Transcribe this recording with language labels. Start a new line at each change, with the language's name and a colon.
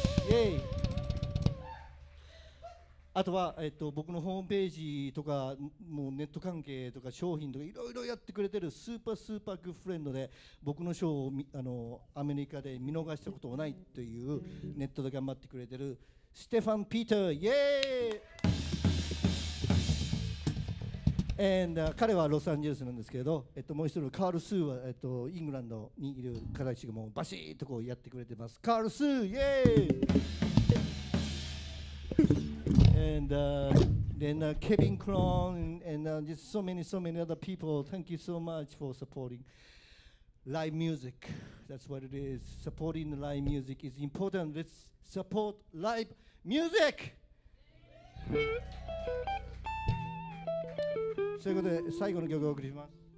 Japanese: イエイ。あとは、僕のホームページとかもうネット関係とか商品とかいろいろやってくれてるスーパーグッドフレンドで、僕のショーをアメリカで見逃したことはないというネットで頑張ってくれてるステファン・ピーター、イエーイ。彼はロサンゼルスなんですけれど、もう一人カール・スーは、イングランドにいる方たちがもうバシッとこうやってくれてます。カール・スー、イエーイ。
English: ケビン・クローン and just so many other people. Thank you so much for supporting live music. That's what it is. Supporting live music is important. Let's support liveMusic!
Japanese: そういうことで最後の曲をお送りします。